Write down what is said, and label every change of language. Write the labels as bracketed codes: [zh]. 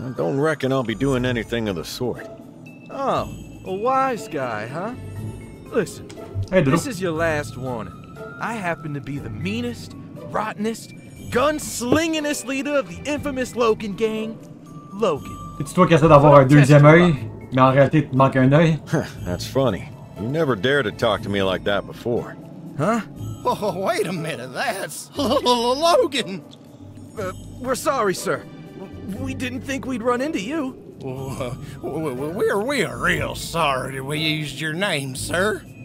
[en] I don't reckon I'll be doing anything of the sort. Oh, a wise guy, huh? Listen, hey, this is your last warning. I happen to be the meanest, rottenest, gunslingingest leader of the infamous Logan gang, Logan. [fr] Et toi qui essaies d'avoir un deuxième œil, mais en réalité tu manques un œil. [en] That's funny. You never dared to talk to me like that before. Huh? Oh, wait a minute, that's Logan! We're sorry, sir. We didn't think we'd run into you. We're real sorry we used your name, sir.